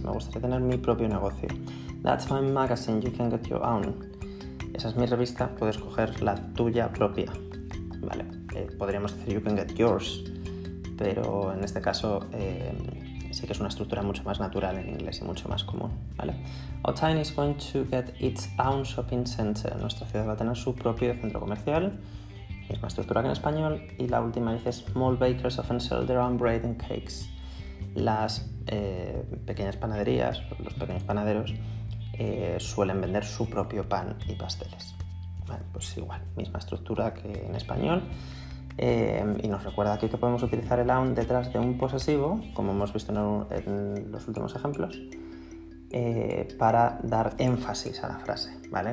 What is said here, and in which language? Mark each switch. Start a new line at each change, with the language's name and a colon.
Spanish: Me gustaría tener mi propio negocio.
English: That's my magazine. You can get your own.
Spanish: Esa es mi revista. Puedes coger la tuya propia. Vale. Podríamos decir
English: you can get yours.
Spanish: Pero en este caso sí que es una estructura mucho más natural en inglés y mucho más común. Vale.
English: Our town is going to get its own shopping center.
Spanish: Nuestra ciudad va a tener su propio centro comercial. Misma estructura que en español. Y la última dice
English: small bakers often sell their own bread and cakes.
Spanish: Las pequeñas panaderías, los pequeños panaderos, suelen vender su propio pan y pasteles. Bueno, pues igual, misma estructura que en español. Y nos recuerda aquí que podemos utilizar el aún detrás de un posesivo, como hemos visto en los últimos ejemplos, para dar énfasis a la frase, ¿vale?